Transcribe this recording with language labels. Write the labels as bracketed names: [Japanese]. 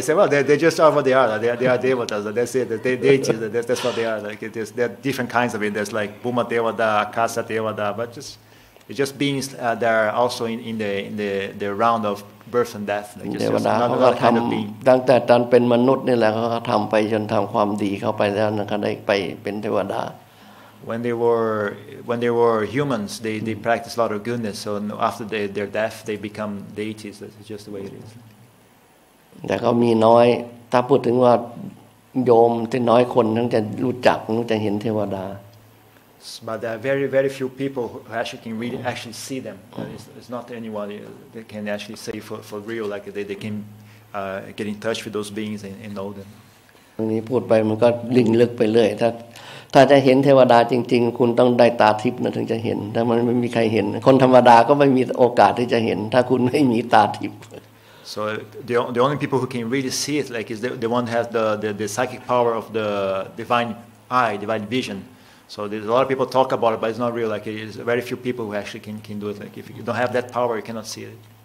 [English] Say, well, they just are what they are. They are devatas. That's it. They deities. That's what they are. Like there are different kinds of it. There's like Bhuma devada, Akasa devada, but just beings that are also in the round of birth and death. Devada. [Thai] เขาทำตั้งแต่ตอนเป็นมนุษย์นี่แหละเขาทำไปจนทำความดีเข้าไปแล้วนะเขาได้ไปเป็นเทวดา [English] when they were humans, they practiced a lot of goodness. So after their death, they become deities. That's just the way it is. [Thai] แต่ก็มีน้อยถ้าพูดถึงว่าโยมที่น้อยคนทั้งจะรู้จักทั้งจะเห็นเทวดา [English] But there are very very few people who actually can really actually see them. It's not anyone that can actually say for real like they can get in touch with those beings and know them. [Thai] ตรงนี้พูดไปมันก็ลิงลึกไปเรื่อยถ้าจะเห็นเทวดาจริงๆคุณต้องได้ตาทิพย์นะถึงจะเห็นถ้ามันไม่มีใครเห็นคนธรรมดาก็ไม่มีโอกาสที่จะเห็นถ้าคุณไม่มีตาทิพย์ [English] So the only people who can really see it like is the one who has the psychic power of the divine eye, divine vision. So there's a lot of people talk about it, but it's not real. Like it's very few people who actually can do it. Like if you don't have that power, you cannot see it.